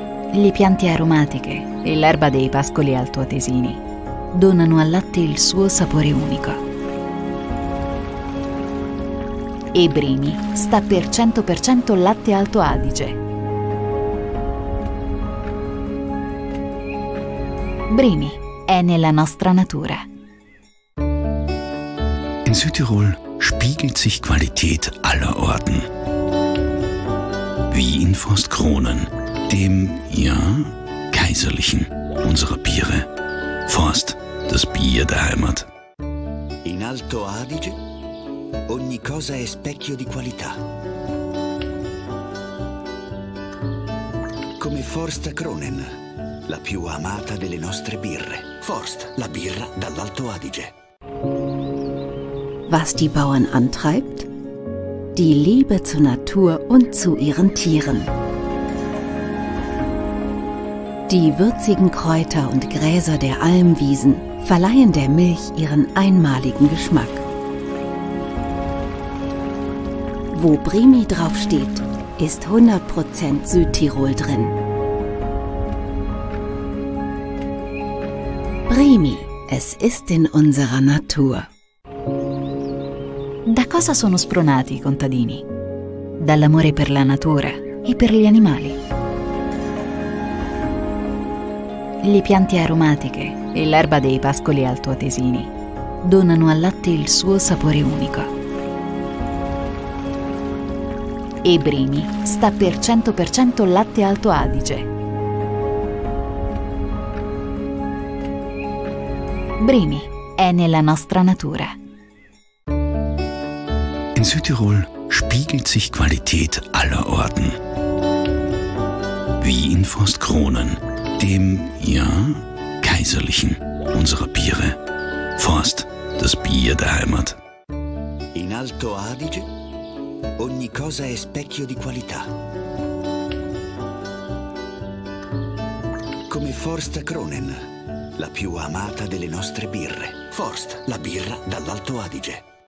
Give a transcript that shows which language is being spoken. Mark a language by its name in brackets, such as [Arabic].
[Italian] Le piante aromatiche e l'erba dei pascoli altoatesini donano al latte il suo sapore unico. E Brimi sta per 100% latte Alto Adige. Brimi è nella nostra natura. [German] In Südtirol spiegelt sich Qualität aller Orten. Wie in Forstkronen, dem, ja, kaiserlichen unserer Biere. Forst, das Bier der Heimat. [Italian] In Alto Adige, ogni cosa è specchio di qualità. Come Forstkronen. La più amata delle nostre birre. Forst, la birra dall'Alto Adige. [German] Was die Bauern antreibt? Die Liebe zur Natur und zu ihren Tieren. Die würzigen Kräuter und Gräser der Almwiesen verleihen der Milch ihren einmaligen Geschmack. Wo Brimi draufsteht, ist 100% Südtirol drin. Brimi, es ist in unserer Natur. [Italian] Da cosa sono spronati i contadini? Dall'amore per la natura e per gli animali. Le piante aromatiche e l'erba dei pascoli altoatesini donano al latte il suo sapore unico. E Brimi sta per 100% latte Alto Adige. Brimi è nella nostra natura. [German] In Südtirol spiegelt sich Qualität aller Orten. Wie in Forstkronen, dem, ja, kaiserlichen unserer Biere. Forst, das Bier der Heimat. [Italian] In Alto Adige ogni cosa è specchio di qualità. Come Forst Kronen, la più amata delle nostre birre. Forst, la birra dall'Alto Adige.